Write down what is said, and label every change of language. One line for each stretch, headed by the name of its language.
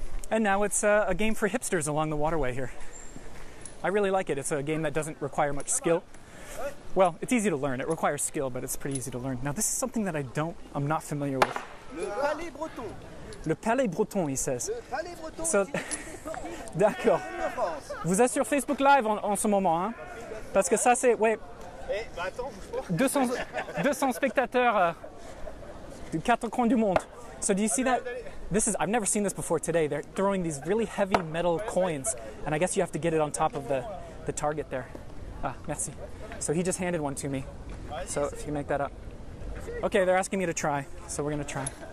English: And now it's a game for hipsters along the waterway here. I really like it. It's a game that doesn't require much skill. Well, it's easy to learn. It requires skill, but it's pretty easy to learn. Now, this is something that I'm not familiar with.
French: Le Palais Breton.
English: Le Palais Breton, he says.
French: Le Palais Breton. So, d'accord. Vous êtes sur Facebook Live en ce moment, hein? Parce que ça, c'est... Ouais. 200 spectateurs du quatre coins du monde.
English: So do you see that? I've never seen this before today. They're throwing these really heavy metal coins, and I guess you have to get it on top of the target there.
French: Ah, merci.
English: So he just handed one to me. So if you make that up. Okay, they're asking me to try, so we're going to try.